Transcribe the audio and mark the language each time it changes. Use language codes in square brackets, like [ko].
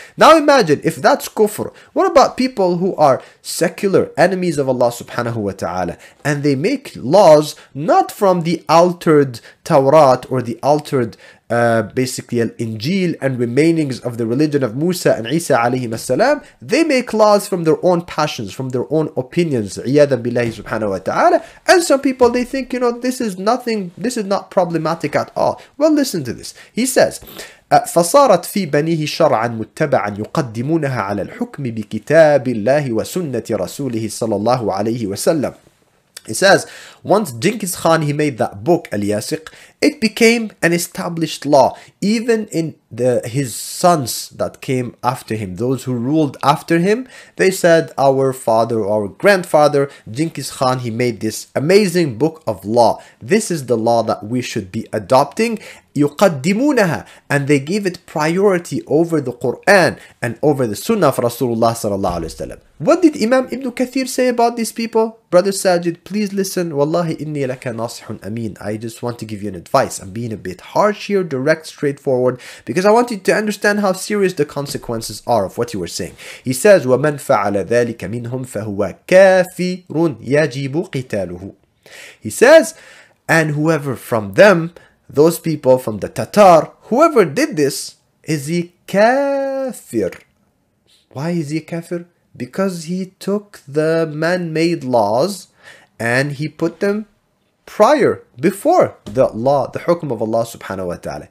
[en] Now imagine, if that's kufr, what about people who are secular enemies of Allah subhanahu wa ta'ala, and they make laws not from the altered Taurat or the altered basically Al-Injil and remainings of the religion of Musa and Isa alayhim as-salam. They make laws from their own passions, from their own opinions, iyadan billahi subhanahu wa ta'ala. And some people, they think, you know, this is nothing, this is not problematic at all. Well, listen to this. He says, [ar] فصارت في بنيه شرعا متبعا يقدمونها على الحكم بكتاب الله وسنة رسوله صلى الله عليه وسلم. [en] He says, once Genghis Khan, he made that book, Al-Yasiq, it became an established law. Even in his sons that came after him, those who ruled after him, they said, our father, our grandfather, Genghis Khan, he made this amazing book of law. This is the law that we should be adopting. يقدمونها, and they gave it priority over the Quran and over the Sunnah of Rasulullah sallallahu alayhi wa sallam. What did Imam Ibn Kathir say about these people? Brother Sajid, please listen. [ar] Wallahi inni laka nasihun amin. [en] I just want to give you an advice. I'm being a bit harsh here, direct, straightforward, because I want you to understand how serious the consequences are of what you were saying. He says, [ar] وَمَنْ فَعَلَ ذَلِكَ مِنْهُمْ فَهُوَ كَافِرٌ يَجِيبُ قِتَالُهُ. [en] He says, and whoever from them, those people from the Tatar, whoever did this, is he kafir? Why is he kafir? Because he took the man-made laws and he put them prior, before the law, the hukm of Allah subhanahu wa ta'ala.